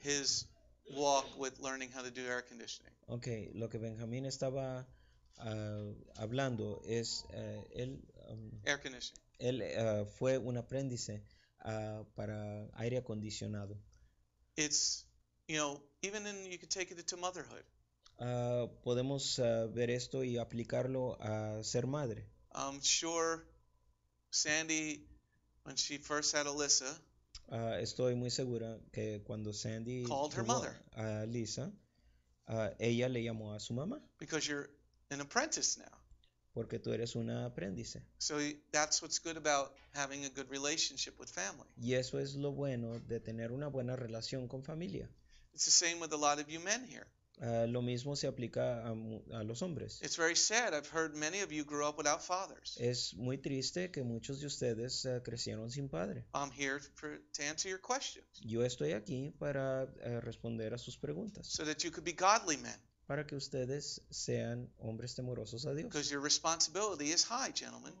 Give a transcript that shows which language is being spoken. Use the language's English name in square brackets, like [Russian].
[English] His walk with learning how to do air conditioning. [Spanish] Okay, lo que Benjamin estaba hablando es él [English] air conditioning. [Spanish] Él fue un aprendiz para aire acondicionado. [English] It's, you know, even in, you could take it to motherhood. [Spanish] Podemos ver esto y aplicarlo a ser madre. [English] I'm sure Sandy, when she first had Alyssa, [Spanish] estoy muy segura que cuando Sandy [English] called her mother, [Spanish] a Lisa, ella le llamó a su mamá. [English] Because you're an apprentice now. [Spanish] Porque tú eres una aprendiz. [English] So that's what's good about having a good relationship with family. [Spanish] Y eso es lo bueno de tener una buena relación con familia. [English] It's the same with a lot of you men here. [Spanish] Lo mismo se aplica a los hombres. [English] It's very sad. I've heard many of you grew up without fathers. [Spanish] Es muy triste que muchos de ustedes crecieron sin padre. [English] I'm here to answer your questions. [Spanish] Yo estoy aquí para responder a sus preguntas. [English] So that you could be godly men. [Spanish] Para que ustedes sean hombres temerosos a Dios. [English] Because your responsibility is high, gentlemen.